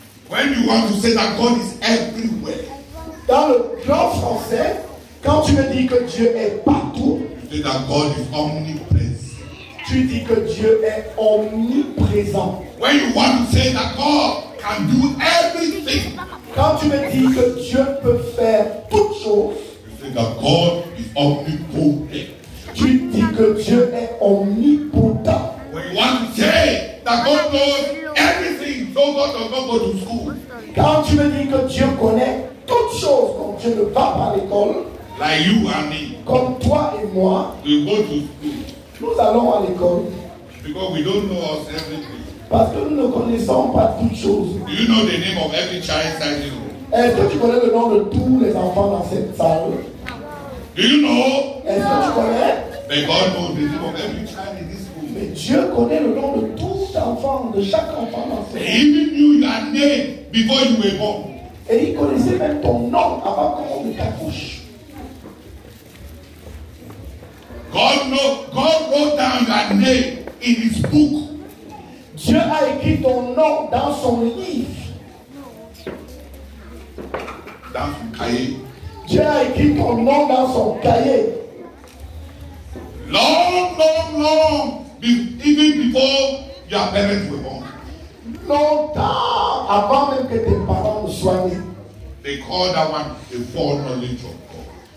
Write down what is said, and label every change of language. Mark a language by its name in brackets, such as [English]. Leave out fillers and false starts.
[English] When you want to say that God is everywhere. [French] Dans le grand français, quand tu veux dire que Dieu est partout. [English] You say that God is omnipresent. [French] Tu dis que Dieu est omniprésent. [English] When you want to say that God can do everything. [French] Quand tu me dis que Dieu peut faire toutes choses, [English] you say that God is omnipotent. [French] Tu dis que Dieu est omnipotent. [English] When you want to say that God knows everything, so God does not go to school. [French] Quand tu me dis que Dieu connaît toutes choses, comme Dieu ne va pas à l'école, [English] like you and me, [French] comme toi et moi, [English] we go to school. [French] Nous allons à l'école. [English] Because we don't know us everything. [French] Parce que nous ne connaissons pas toutes choses. [English] Do you know the name of every child inside this room? [French] Est-ce que tu connais le nom de tous les enfants dans cette salle? [English] Do you know? [French] Est-ce que tu connais? [English] But God knows the name of every child in this room. [French] Mais Dieu connaît le nom de tous les enfants, de chaque enfant dans cette salle. [English] He even knew your name before you were born. [French] Et il connaissait même ton nom avant qu'on ne t'accouche. [English] God knows. God wrote down your name in his book. [French] Dieu a écrit ton nom dans son livre. Dans son cahier. Dieu a écrit ton nom dans son cahier. [English] Long, even before your parents were born. [French] Longtemps avant même que tes parents ne soient nés. [English] They call that one the foreknowledge of God.